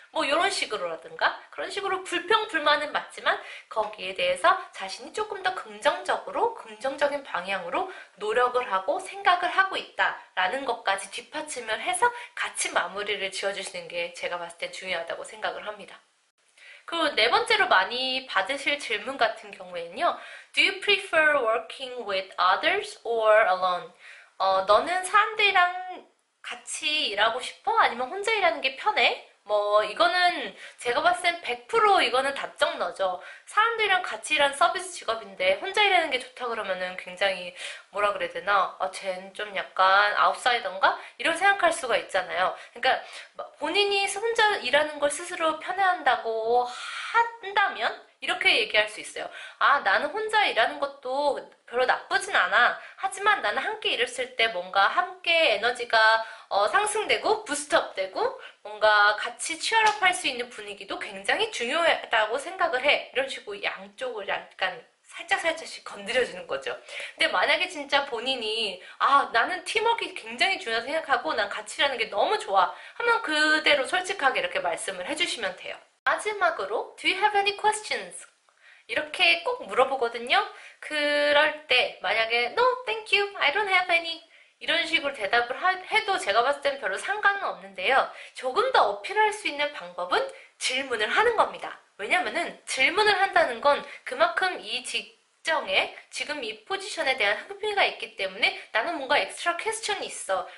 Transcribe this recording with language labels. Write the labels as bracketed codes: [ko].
[ko] 뭐 이런 식으로라든가 그런 식으로 불평불만은 맞지만 거기에 대해서 자신이 조금 더 긍정적으로 긍정적인 방향으로 노력을 하고 생각을 하고 있다라는 것까지 뒷받침을 해서 같이 마무리를 지어주시는 게 제가 봤을 때 중요하다고 생각을 합니다. 그네 번째로 많이 받으실 질문 같은 경우에는요. [en] Do you prefer working with others or alone? [ko] 너는 사람들이랑 같이 일하고 싶어? 아니면 혼자 일하는 게 편해? 뭐 이거는 제가 봤을 땐100% 이거는 답정너죠. 사람들이랑 같이 일하는 서비스 직업인데 혼자 일하는 게 좋다 그러면은 굉장히 뭐라 그래야 되나? 쟨좀 약간 아웃사이던가? 이런 생각할 수가 있잖아요. 그러니까 본인이 혼자 일하는 걸 스스로 편애한다고 한다면 이렇게 얘기할 수 있어요. 나는 혼자 일하는 것도 별로 나쁘진 않아. 하지만 나는 함께 일을 쓸때 뭔가 함께 에너지가 상승되고 부스트업 되고 뭔가 같이 치어업할 수 있는 분위기도 굉장히 중요하다고 생각을 해. 이런 식으로 양쪽을 약간 살짝살짝씩 건드려주는 거죠. 근데 만약에 진짜 본인이 나는 팀워크가 굉장히 중요하다고 생각하고 난 같이 일하는 게 너무 좋아. 하면 그대로 솔직하게 이렇게 말씀을 해주시면 돼요. 마지막으로, [en] Do you have any questions? [ko] 이렇게 꼭 물어보거든요. 그럴 때 만약에 [en] No, thank you. I don't have any. [ko] 이런 식으로 대답을 해도 제가 봤을 땐 별로 상관은 없는데요. 조금 더 어필할 수 있는 방법은 질문을 하는 겁니다. 왜냐면은 질문을 한다는 건 그만큼 이 직종에 지금 이 포지션에 대한 흥미가 있기 때문에 나는 뭔가 엑스트라 퀘스천이 있어.